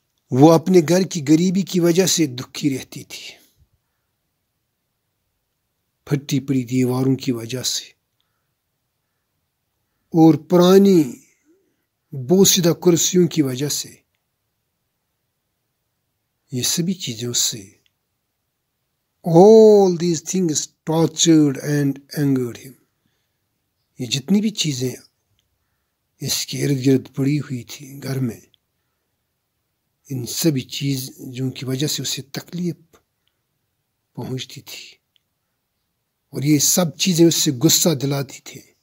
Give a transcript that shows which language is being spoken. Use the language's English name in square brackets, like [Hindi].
[Urdu] وہ اپنے گھر کی غریبی کی وجہ سے دکھی رہتی تھی, پھٹی پڑی دیواروں کی وجہ سے اور پرانی بوسیدہ کرسیوں کی وجہ سے. یہ سبھی چیزوں سے, [English] all these things tortured and angered him. [Urdu] یہ جتنی بھی چیزیں اس کے ارد گرد پڑی ہوئی تھی گھر میں, ان سبھی چیزوں کی وجہ سے اسے تکلیف پہنچتی تھی اور یہ سب چیزیں اسے غصہ دلاتی تھی.